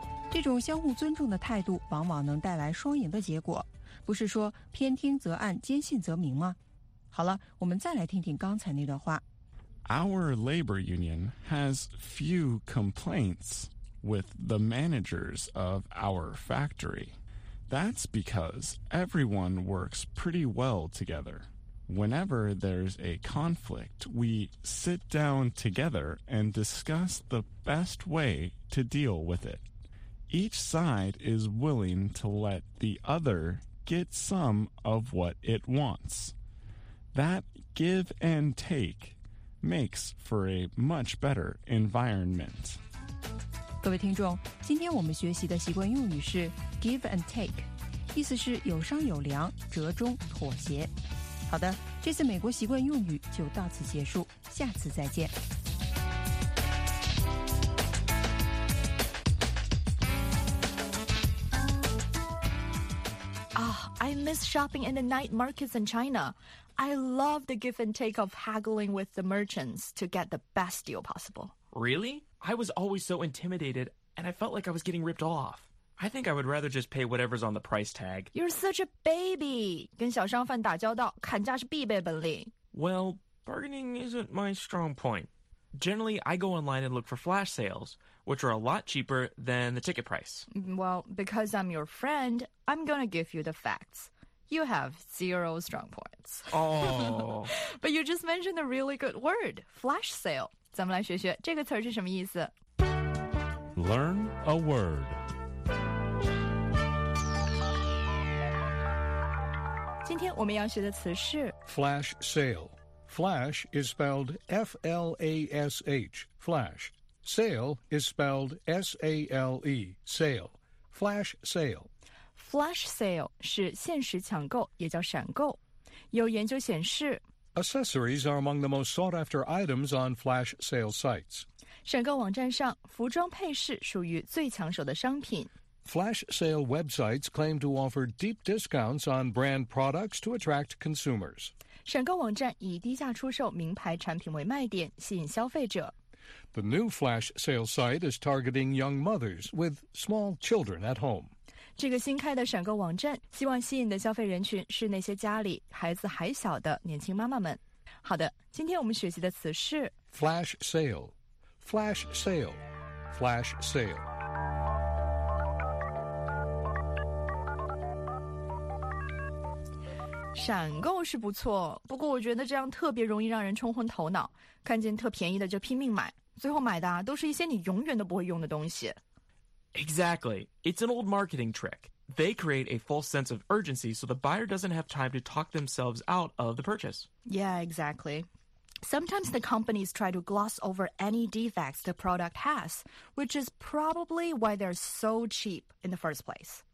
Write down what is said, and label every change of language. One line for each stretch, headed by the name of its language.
Chinese: 这种相互尊重的态度往往能带来双赢的结果，不是说偏听则暗，坚信则明吗？好了，我们再来听听刚才那段话。
English: Our labor union has few complaints with the managers of our factory. That's because everyone works pretty well together. Whenever there's a conflict, we sit down together and discuss the best way to deal with it. Each side is willing to let the other get some of what it wants. That give and take makes for a much better environment.
Chinese: 各位听众，今天我们学习的习惯用语是 give and take， 意思是有商有量，折中妥协。好的，这次美国习惯用语就到此结束，下次再见。
English: I miss shopping in the night markets in China. I love the give and take of haggling with the merchants to get the best deal possible. Really? I was always so intimidated, and I felt like I was getting ripped off. I think I would rather just pay whatever's on the price tag. You're such a baby!
Chinese: 跟小商贩打交道，砍价是必备本领。
English: Well, bargaining isn't my strong point. Generally, I go online and look for flash sales,which are a lot cheaper than the ticket price. Well, because I'm your friend, I'm going to give you the facts. You have zero strong points. Oh. But you just mentioned a really good word, flash sale.
Chinese: 咱们来学学这个词是什么意思。
English: Learn a word.
Chinese: 今天我们要学的词是
English: flash sale. Flash is spelled F-L-A-S-H, flash. Sale is spelled S-A-L-E, sale, flash sale.
Chinese: Flash sale 是限时抢购，也叫闪购。有研究显示
English: ，Accessories are among the most sought-after items on flash sale sites.
Chinese: 闪购网站上，服装配饰属于最抢手的商品。
English: flash sale websites claim to offer deep discounts on brand products to attract consumers.
Chinese: 选购网站以低价出售名牌产品为卖点，吸引消费者。
English: The new flash sale site is targeting young mothers with small children at home.
Chinese: 这个新开的闪购网站希望吸引的消费人群是那些家里孩子还小的年轻妈妈们。好的，今天我们学习的词是
English: flash sale, flash sale, flash sale.
Chinese: 闪购是不错，不过我觉得这样特别容易让人冲昏头脑，看见特便宜的就拼命买。最后买的都是一些你永远都不会用的东西。
English: Exactly. It's an old marketing trick. They create a false sense of urgency so the buyer doesn't have time to talk themselves out of the purchase. Yeah, exactly. Sometimes the companies try to gloss over any defects the product has, which is probably why they're so cheap in the first place.